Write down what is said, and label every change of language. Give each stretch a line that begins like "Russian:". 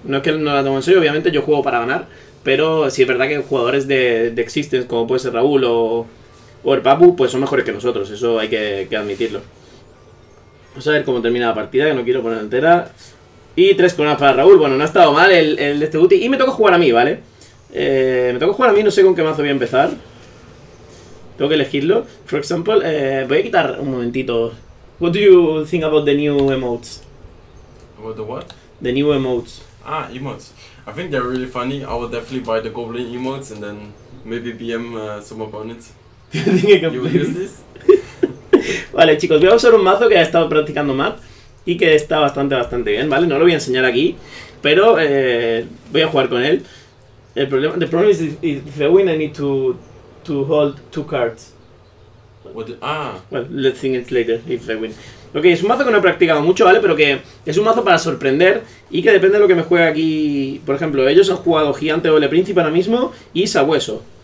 Spanish: No es que no la tomo en serio, obviamente yo juego para ganar, pero sí es verdad que jugadores de Existence, como puede ser Raúl o el Papu, pues son mejores que nosotros, eso hay que admitirlo. Vamos a ver cómo termina la partida, que no quiero poner entera. Y tres coronas para Raúl. Bueno, no ha estado mal el de este booty. Y me toca jugar a mí, ¿vale? No sé con qué mazo voy a empezar. Tengo que elegirlo.
English: For example,
Spanish: voy a quitar un momentito.
English: What do you think about the new emotes? About the what? The new emotes. Ah, emotes. I think they're really funny. I will definitely buy the goblin emotes and then maybe BM some opponents. You will use this?
Spanish: Vale, chicos, voy a usar un mazo que ha estado practicando más y que está bastante, bastante bien, ¿vale? No lo voy a enseñar aquí, pero voy a jugar con él. El problema,
English: the problem is if I win, I need to hold two cards. Well, let's think it later, if I win.
Spanish: Ok, es un mazo que no he practicado mucho, ¿vale? Pero que es un mazo para sorprender y que depende de lo que me juegue aquí. Por ejemplo, ellos han jugado Gigante Doble Príncipe ahora mismo y Sabueso.